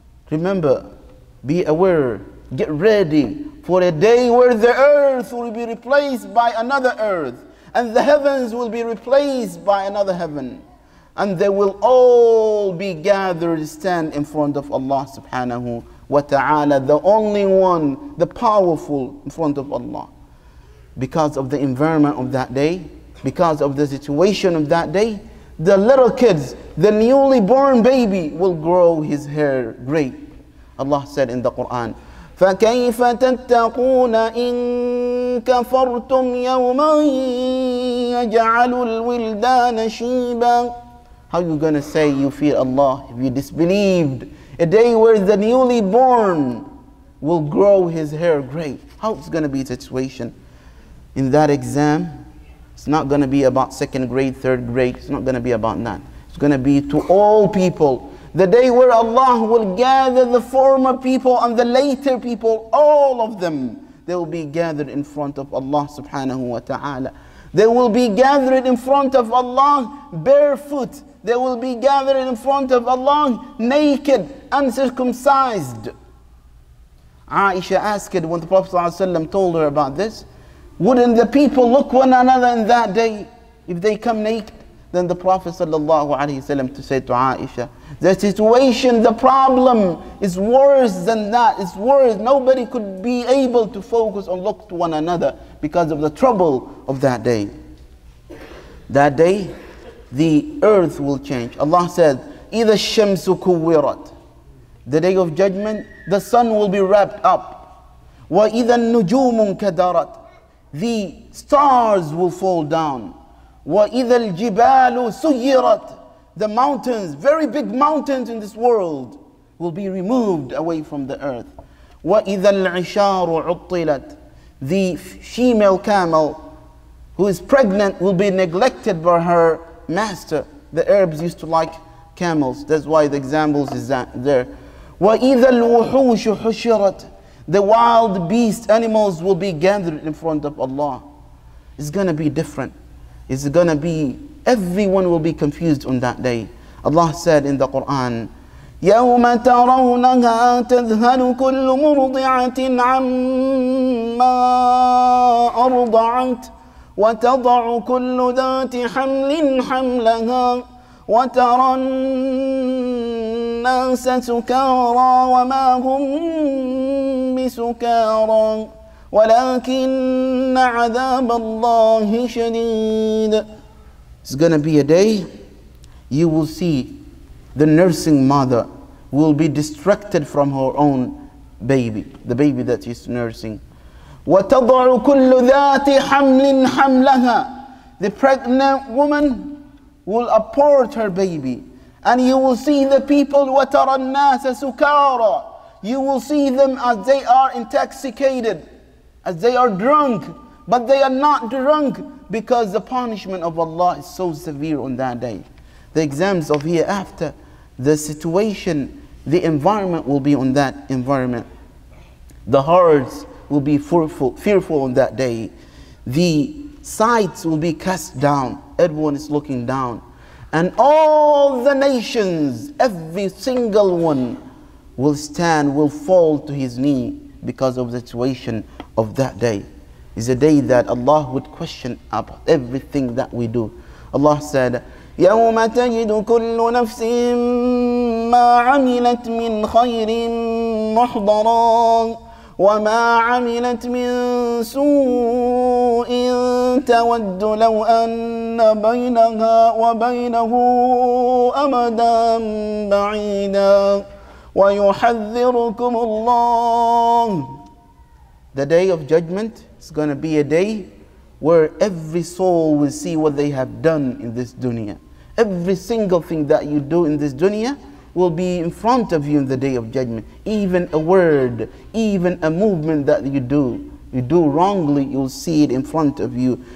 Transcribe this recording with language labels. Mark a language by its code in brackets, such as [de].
[en] Remember, be aware, get ready for a day where the earth will be replaced by another earth, and the heavens will be replaced by another heaven, and they will all be gathered, stand in front of Allah subhanahu wa ta'ala, the only one, the powerful, in front of Allah. Because of the environment of that day, because of the situation of that day, the little kids, the newly born baby, will grow his hair great. Allah said in the Quran, [ar] فَكَيْفَ تَتَّقُونَ إِن كَفَرْتُمْ يَوْمًا يَجْعَلُ الْوِلْدَانَ شِيبًا. [en] How are you going to say you fear Allah if you disbelieved? A day where the newly born will grow his hair gray. How's going to be the situation in that exam? It's not going to be about second grade, third grade. It's not going to be about that. It's going to be to all people. The day where Allah will gather the former people and the later people, all of them, they will be gathered in front of Allah subhanahu wa ta'ala. They will be gathered in front of Allah barefoot. They will be gathered in front of Allah naked, uncircumcised. Aisha asked when the Prophet ﷺ told her about this, wouldn't the people look one another in that day if they come naked? Then the Prophet ﷺ to say to Aisha, the situation, the problem is worse than that. It's worse. Nobody could be able to focus or look to one another because of the trouble of that day. That day, the earth will change. Allah said, [ar] إِذَا الشَّمْسُ كُوِّرَتْ. [en] The day of judgment, the sun will be wrapped up. [ar] وَإِذَا النُّجُومُ كَدَرَتْ. [en] The stars will fall down. [ar] وَإِذَا الْجِبَالُ سُيِّرَتْ. [en] The mountains, very big mountains in this world, will be removed away from the earth. [ar] وَإِذَا الْعِشَارُ عُطِّلَتْ. [en] The female camel who is pregnant will be neglected by her master. The Arabs used to like camels. That's why the examples is that there. [ar] وَإِذَا الْوُحُوشُ حُشِرَتْ. [en] The wild beast animals will be gathered in front of Allah. It's going to be different. It's going to be, everyone will be confused on that day. Allah said in the Quran, [ar] يَوْمَ تَرَوْنَهَا تَذْهَلُ كُلُّ مُرْضِعَةٍ عَمَّا أَرْضَعَتْ وَتَضَعُ كُلُّ ذَاتِ حَمْلٍ حَمْلَهَا وَتَرَى النَّاسَ سُكَارَى وَمَا هُمْ بِسُكَارَى وَلَكِنَّ عَذَابَ اللَّهِ شَدِيدٌ. [en] It's going to be a day you will see the nursing mother will be distracted from her own baby, the baby that she's nursing. [ar] وَتَضَعُ كُلُّ ذَاتِ حَمْلٍ حَمْلَهَا. [en] The pregnant woman will abort her baby. And you will see the people, [ar] وَتَرَى النَّاسَ سُكَارَى. [en] You will see them as they are intoxicated, as they are drunk. But they are not drunk because the punishment of Allah is so severe on that day. The exams of hereafter, the situation, the environment will be on that environment. The hearts will be fearful on that day. The sights will be cast down. Everyone is looking down. And all the nations, every single one, will stand, will fall to his knee because of the situation of that day. It's a day that Allah would question up everything that we do. Allah said, [ar] يَوْمَ تَجِدُ كُلُّ نَفْسٍ مَّا عَمِلَتْ مِنْ خَيْرٍ مُحْضَرًا وَمَا عَمِلَتْ مِنْ سُوءٍ تَوَدُّ لَوْ أَنَّ بَيْنَهَا وَبَيْنَهُ أَمَدًا بَعِيدًا وَيُحَذِّرُكُمُ اللَّهُ. [en] The day of judgment is going to be a day where every soul will see what they have done in this dunya. Every single thing that you do in this dunya will be in front of you in the day of judgment. Even a word, even a movement that you do wrongly, you'll see it in front of you.